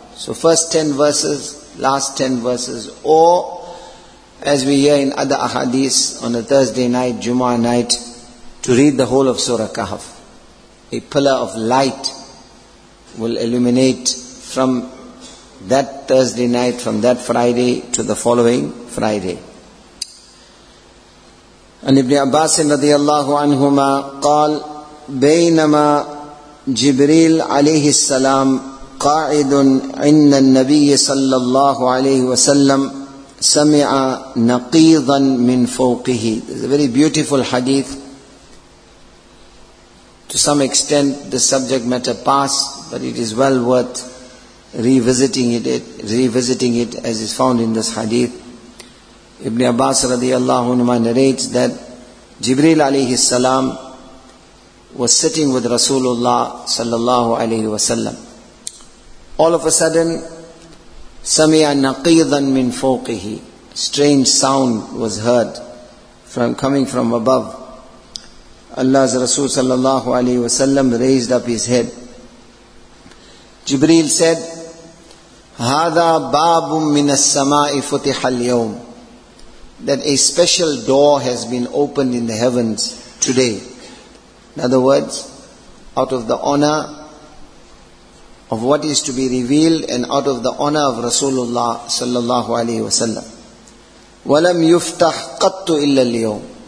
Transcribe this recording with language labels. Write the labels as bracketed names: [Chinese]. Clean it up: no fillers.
[English] So first 10 verses, last 10 verses, or as we hear in other ahadith on a Thursday night, Jumu'ah night, to read the whole of Surah Kahf. A pillar of light will illuminate from that Thursday night, from that Friday to the following Friday. And Ibn Abbas radiallahu anhuma qal, [Arabic] بينما جبريل عليه السلام قاعد عند النبي صلى الله عليه وسلم سَمِعَ نَقِيضًا مِنْ فَوْقِهِ. [English] It's a very beautiful hadith. To some extent, the subject matter passed, but it is well worth revisiting it as is found in this hadith. Ibn Abbas radiallahu anhu narrates that Jibreel alayhi salam was sitting with Rasulullah sallallahu alayhi wa sallam. All of a sudden, [Arabic] سَمِعَ نَقِيضًا مِنْ فَوْقِهِ. [English] Strange sound was heard from coming from above. Allah's Rasul sallallahu alayhi wa sallam raised up his head. Jibreel said, [Arabic] هَذَا بَابٌ مِنَ السَّمَاءِ فُتِحَ الْيَوْمِ. [English] That a special door has been opened in the heavens today. In other words, out of the honor of what is to be revealed and out of the honor of Rasulullah sallallahu alayhi wa sallam. [Arabic] وَلَمْ يُفْتَحْ قَطُّ إِلَّا الْيَوْمِ.